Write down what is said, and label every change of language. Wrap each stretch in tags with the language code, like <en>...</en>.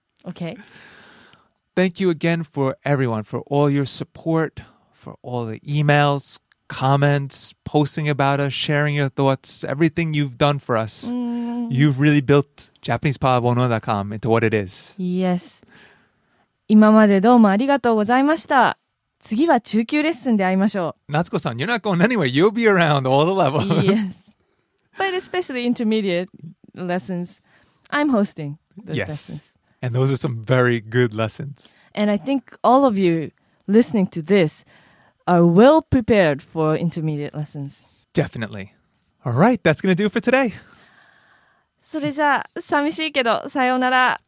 <en>Okay. Thank you again for everyone, for all your support, for all the emails, comments, posting about us, sharing your thoughts, everything you've done for us. You've really built JapanesePod101.com into what it is. Yes.</en> <ja>今までどうもありがとうございました。次は中級レッスンで会いましょう。</ja> <en>Natsuko-san, you're not going anywhere. You'll be around all the levels. Yes. But especially intermediate lessons, I'm hosting those lessons. And those are some very good lessons. And I think all of you listening to this are well prepared for intermediate lessons. Definitely. All right, that's going to do it for today.</en> <ja>それじゃあ、寂しいけど、さようなら。</ja>